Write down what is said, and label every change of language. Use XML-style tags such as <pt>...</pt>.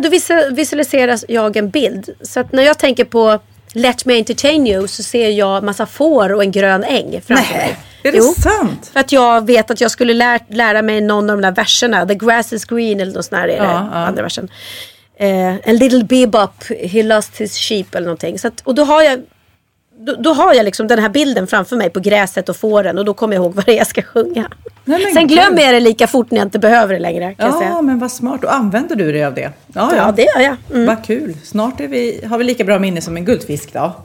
<sv>Då visualiserar jag en bild. Så att när jag tänker på Let Me Entertain You, så ser jag massa får och en grön äng framför mig. Är det sant? För att jag vet att jag skulle lära mig någon av de där verserna.</sv> <en>The grass is green</en> <sv>eller något sånt där, andra versen.</sv> <en>A little bebop, he lost his sheep</en> <sv>eller någonting. Så att, och då har jag liksom den här bilden framför mig på gräset och fåren, och då kommer jag ihåg vad det är jag ska sjunga. Nej, sen glömmer jag det lika fort när jag inte behöver det längre, kan jag säga. Men vad smart, och använder du dig av det? Ja, det gör jag. Vad kul, snart har vi lika bra minne som en guldfisk då.</sv>